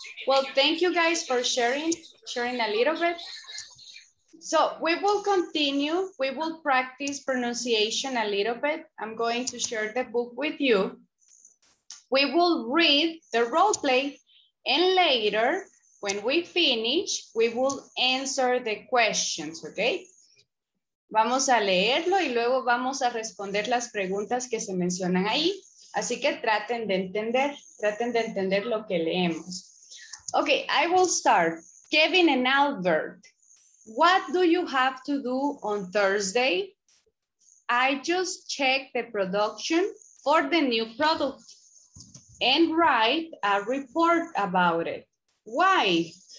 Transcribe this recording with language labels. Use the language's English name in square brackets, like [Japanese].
[English] Well, thank you guys for sharing a little bit. So we will continue. We will practice pronunciation a little bit. I'm going to share the book with you. We will read the role play, and later, when we finish, we will answer the questions, okay? [Spanish] Vamos a leerlo y luego vamos a responder las preguntas que se mencionan ahí. Así que traten de entender lo que leemos. [English] Okay, I will start. Kevin and Albert, what do you have to do on Thursday? I just check the production for the new product and write a report about it. Why?